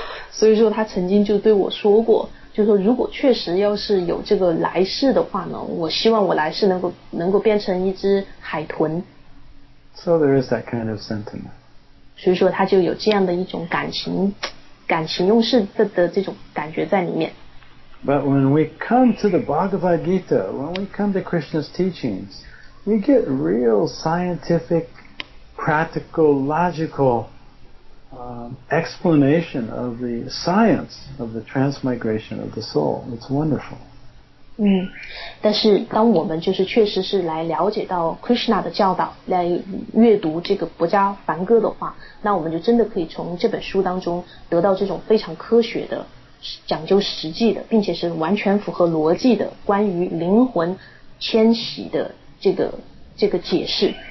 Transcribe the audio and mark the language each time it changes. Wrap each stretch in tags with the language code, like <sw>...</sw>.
<zh>所以说他曾经就对我说过，就说如果确实要是有这个来世的话呢，我希望我来世能够变成一只海豚。</zh> <en>So there is that kind of sentiment.</en> <zh>所以说他就有这样的一种感情用事的这种感觉在里面。</zh> <en>But when we come to the Bhagavad Gita, when we come to Krishna's teachings, we get real scientific, practical, logicalexplanation of the science of the transmigration of the soul. It's wonderful.</en> <zh>但是当我们就是确实是来了解到 Krishna 的教导，来阅读这个博迦梵歌的话，那我们就真的可以从这本书当中得到这种非常科学的、讲究实际的，并且是完全符合逻辑的关于灵魂迁徙的这个解释。</zh>